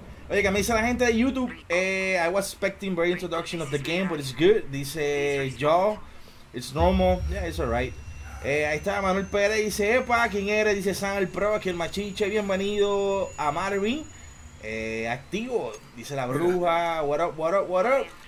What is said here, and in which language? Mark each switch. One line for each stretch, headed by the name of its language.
Spanish: Oye, que me dice la gente de YouTube,
English: I was expecting very introduction of the game, but it's good.
Spanish: Dice Joe,
English: it's normal, yeah, it's alright.
Spanish: Ahí está Manuel Pérez, dice, epa, ¿quién eres? Dice San el Pro, aquí el Machiche, bienvenido a Marvin. Activo, dice la bruja,
English: what up, what up, what up.